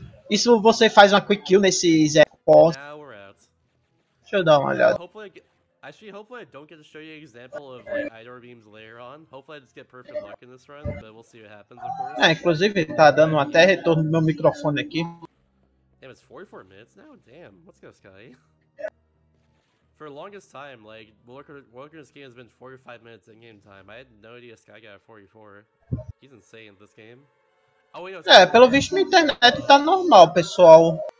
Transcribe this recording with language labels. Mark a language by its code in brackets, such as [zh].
[pt] Isso você faz uma quick kill nesses boss. Deixa eu dar uma olhada. [en] Actually, hopefully I don't get to show you an example of like Idor Beams later on. Hopefully I just get perfect luck in this run, but we'll see what happens, of course. É, inclusive tá dando até retorno no meu microfone aqui. Damn, it's 44 minutes now? Damn, let's go, Sky. For the longest time, like, Walker's game has been 45 minutes in-game time. I had no idea Sky got a 44. He's insane in this game. Oh, wait, no, it's... [pt] É, pelo visto minha internet tá normal, pessoal.